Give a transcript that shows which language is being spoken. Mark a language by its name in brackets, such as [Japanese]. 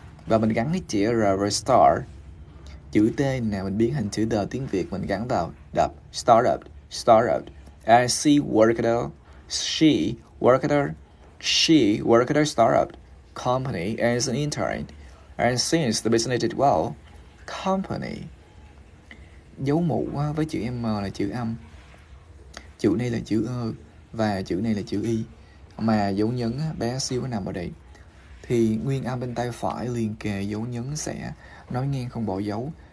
[Vietnamese] Và mình gắn cái chữ R với star. Chữ T nè, mình biến thành chữ D tiếng Việt, mình gắn vào đập. [English] Startup, startup. And she worked at a startup company as an intern. And since the business did well, company. [Vietnamese] Dấu mũ quá với chữ M là chữ âm. Chữ này là chữ Ơ và chữ này là chữ Y. Mà dấu nhấn á, bé xíu nằm ở đây. Thì nguyên âm bên tay phải liền kề dấu nhấn sẽ nói ngang không bỏ dấu.